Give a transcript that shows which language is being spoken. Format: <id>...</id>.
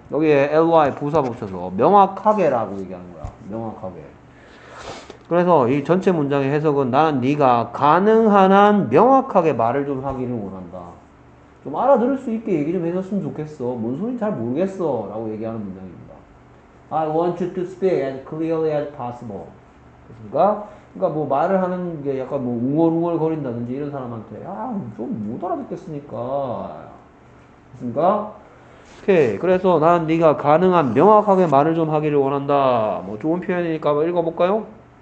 <ko>여기에 ly 부사 붙여서 명확하게라고 얘기하는 거야. 명확하게. 그래서 이 전체 문장의 해석은 나는 네가 가능한 한 명확하게 말을 좀 하기를 원한다. 좀 알아들을 수 있게 얘기 좀 해줬으면 좋겠어. 뭔 소린지 잘 모르겠어. 라고 얘기하는 문장입니다.</ko> <en>I want you to speak as clearly as possible.</en> <ko>그러니까 뭐 말을 하는 게 약간 뭐 웅얼웅얼 거린다든지 이런 사람한테 아, 좀못 알아듣겠으니까. 그러니까 오케이. 그래서 나는 네가 가능한 명확하게 말을 좀 하기를 원한다. 뭐 좋은 표현이니까 한번 읽어볼까요?</ko>